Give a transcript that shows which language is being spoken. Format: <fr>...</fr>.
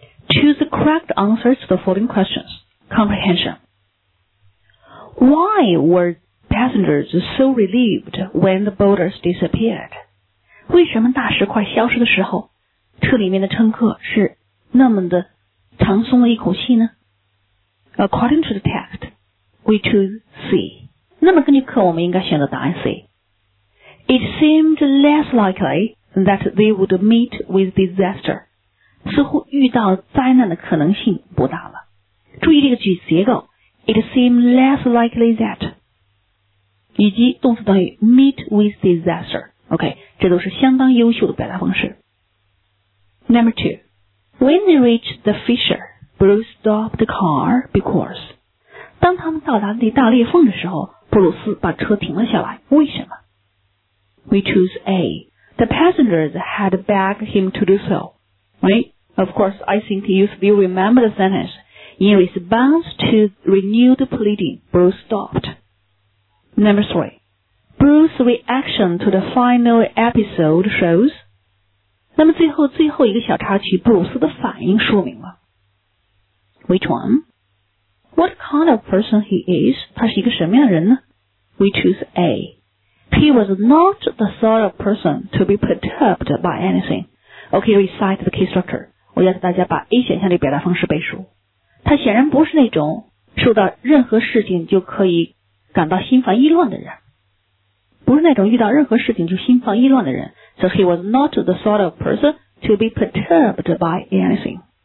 <en>Choose the correct answers to the following questions. Comprehension. Why were passengers so relieved when the boulders disappeared?</en> <zh>为什么大石块消失的时候，车里面的乘客是那么的长松了一口气呢？</zh> <en>According to the text, we choose C.</en> <zh>那么根据课我们应该选择答案 C.</zh> <en>It seemed less likely that they would meet with disaster.</en> <zh>似乎遇到灾难的可能性不大了。注意这个句子结构，</zh> <en>It seemed less likely that</en> <zh>以及动词短语</zh> <en>meet with disaster.</en> <zh>OK, 这都是相当优秀的表达方式。</zh> <en>Number two, when they reached the fissure, Bruce stopped the car because.</en> <zh>当他们到达那大裂缝的时候，布鲁斯把车停了下来。为什么？</zh> <en>We choose A. The passengers had begged him to do so. Right? Of course, I think you still remember the sentence. In response to renewed pleading, Bruce stopped. Number three, Bruce's reaction to the final episode shows.</en> <zh>那么最后一个小插曲，布鲁斯的反应说明了。</zh> <en>Which one? What kind of person he is?</en> <zh>他是一个什么样的人呢？</zh> <en>We choose A. He was not the sort of person to be perturbed by anything. OK, recite the key structure.</en> <zh>我要大家把 A 选项的表达方式背熟。他显然不是那种受到任何事情就可以感到心烦意乱的人。</zh> <en>So he was not the sort of person to be perturbed by anything.</en>